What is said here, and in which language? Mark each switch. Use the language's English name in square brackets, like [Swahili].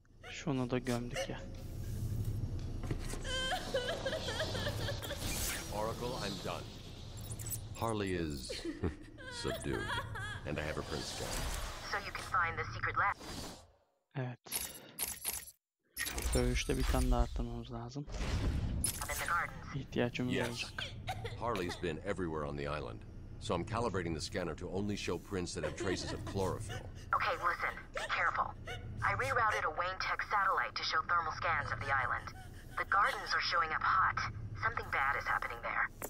[Turkish] Şunu da gömdük ya. [English] Oracle, I'm done. Harley is subdued, and I have her print scan. So you can find the secret lab. [Turkish] Evet. Dövüşte bir tane daha arttırmamız lazım. İhtiyacımız [English] yes. [Turkish] olacak. [English] Harley's been everywhere on the island, so I'm calibrating the scanner to only show prints that have traces of chlorophyll. Okay, listen. Be careful. I rerouted a Wayne Tech satellite to show thermal scans of the island. The gardens are showing up hot. Something bad is happening there.